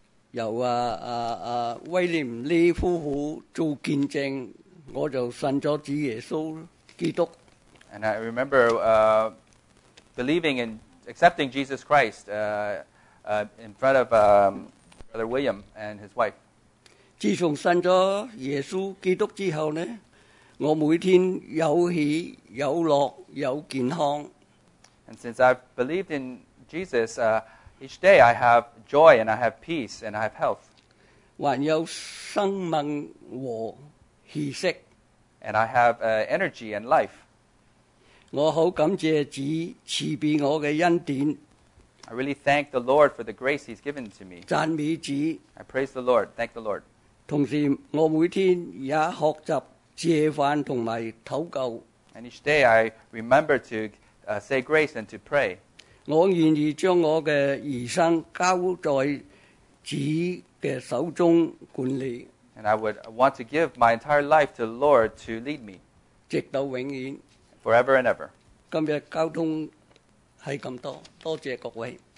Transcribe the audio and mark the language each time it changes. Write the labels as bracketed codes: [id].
[yue] 由威廉利夫妇做见证，我就信咗主耶稣基督。 [en] And I remember believing and accepting Jesus Christ in front of Brother William and his wife. [yue] 自从信咗耶稣基督之后呢，我每天有喜有乐有健康。 [en] And since I've believed in Jesus, each day I have. Joy and I have peace and I have health. [yue] 还有生命和气息。 [en] And I have energy and life. [yue] 我好感谢主赐俾我嘅恩典。 [en] I really thank the Lord for the grace He's given to me. [yue] 赞美主。 [en] I praise the Lord. Thank the Lord. [yue] 同时，我每天也学习借饭同埋祷告。 [en] And each day I remember to say grace and to pray. [yue] 我愿意将我的余生交在主的手中管理。 [en] And I would want to give my entire life to the Lord to lead me. [yue] 直到永远。 [en] Forever and ever. [yue] 今日交通是这么多，多谢各位。